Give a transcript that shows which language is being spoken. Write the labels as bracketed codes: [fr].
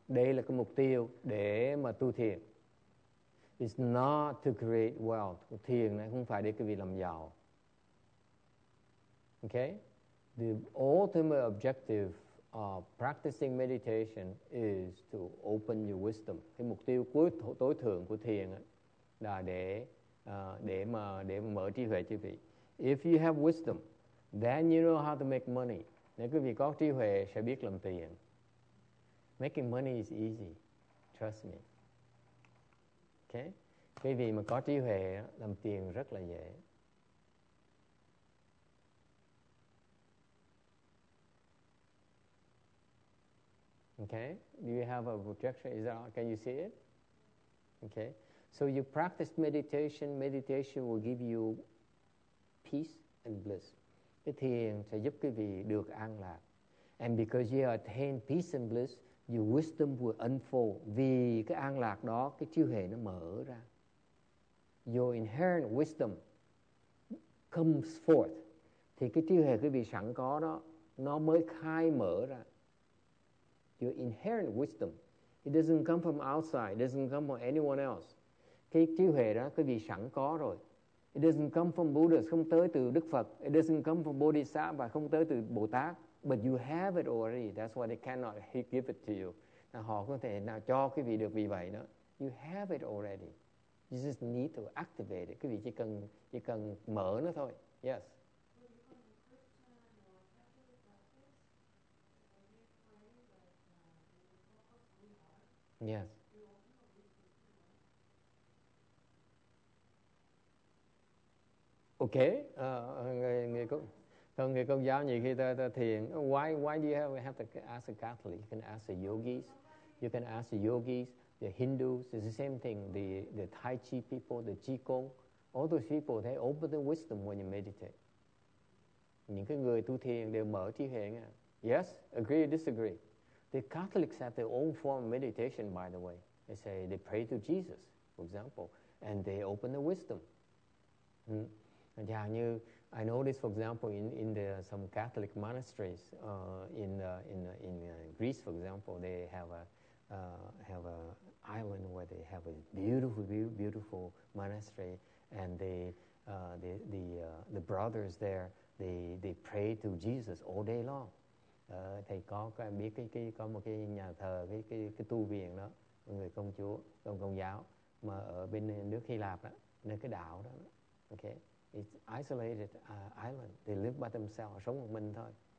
[vi] Đây là cái mục tiêu để mà tu thiền. [en] It's not to create wealth. [vi] Thiền này không phải để quý vị làm giàu. [en] Okay? The ultimate objective of practicing meditation is to open your wisdom. [vi] Cái mục tiêu tối thượng của thiền là để mở trí huệ cho quý vị. [en] If you have wisdom, then you know how to make money. [vi] Nếu quý vị có trí huệ sẽ biết làm tiền. [en] Making money is easy. Trust me. Okay? [vi] Quý vị mà có trí huệ làm tiền rất là dễ. [en] Okay? Do you have a projection? Is that all? Can you see it? Okay? So you practice meditation. Meditation will give you peace and bliss. [vi] Cái thiền sẽ giúp quý vị được an lạc. [en] And because you attain peace and bliss, your wisdom will unfold. [vi] Vì cái an lạc đó, cái trí huệ nó mở ra. [en] Your inherent wisdom comes forth. [vi] Thì cái trí huệ quý vị sẵn có đó, nó mới khai mở ra. [en] Your inherent wisdom. It doesn't come from outside. It doesn't come from anyone else. [vi] Cái trí huệ đó quý vị sẵn có rồi. [en] It doesn't come from Buddhas, [vi] không tới từ Đức Phật. [en] It doesn't come from Bodhisattva, [vi] không tới từ Bồ Tát. [en] But you have it already. That's why they cannot give it to you. [vi] Now, họ không thể nào cho quý vị được vì vậy nữa. [en] You have it already. You just need to activate it. [vi] Quý vị chỉ cần mở nó thôi. [en] Yes. Yes. Oh, [vi] Okay, người công, thường người công giáo nhiều khi ta thiền. [en] Why do you have, we have to ask the Catholic? You can ask the yogis, you can ask the yogis, the Hindus. It's the same thing. The Tai Chi people, the Qigong, all those people, they open the wisdom when you meditate. [vi] Những cái người tu thiền đều mở trí huệ nghe. [en] Yes, agree or disagree? The Catholics have their own form of meditation, by the way. They say they pray to Jesus, for example, and they open the wisdom. Yeah, I know this, for example, in some Catholic monasteries in Greece, for example, they have a island where they have a beautiful monastery, and the brothers there they pray to Jesus all day long. [vi] Thầy có biết có một cái nhà thờ cái tu viện đó, người công chúa công giáo mà ở bên nước Hy Lạp đó, nơi cái đảo đó. [en] Okay, it's isolated island. They live by themselves, [vi] sống một mình thôi.